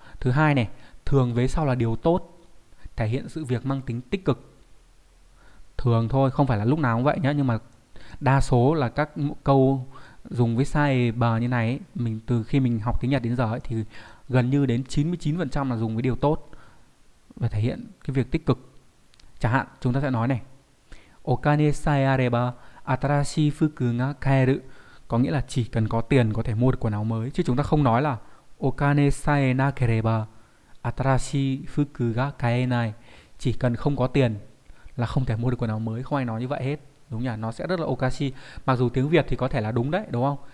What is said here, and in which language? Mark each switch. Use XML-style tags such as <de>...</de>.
<vi>Thứ hai này, thường vế sau là điều tốt, thể hiện sự việc mang tính tích cực. Thường thôi, không phải là lúc nào cũng vậy nhá, nhưng mà đa số là các câu dùng với sai bờ như này ấy, mình từ khi mình học tiếng Nhật đến giờ ấy, thì gần như đến 99% là dùng với điều tốt và thể hiện cái việc tích cực. Chẳng hạn chúng ta sẽ nói này,</vi> <ja>お金さえあれば新しい服が買える。</ja> <vi>Có nghĩa là chỉ cần có tiền có thể mua được quần áo mới, chứ chúng ta không nói là</vi> <ja>お金さえなければ新しい服が買えない。</ja> <vi>Chỉ cần không có tiền là không thể mua được quần áo mới, không ai nói như vậy hết, đúng nhỉ? Nó sẽ rất là okashi, mặc dù tiếng Việt thì có thể là đúng đấy, đúng không?</vi>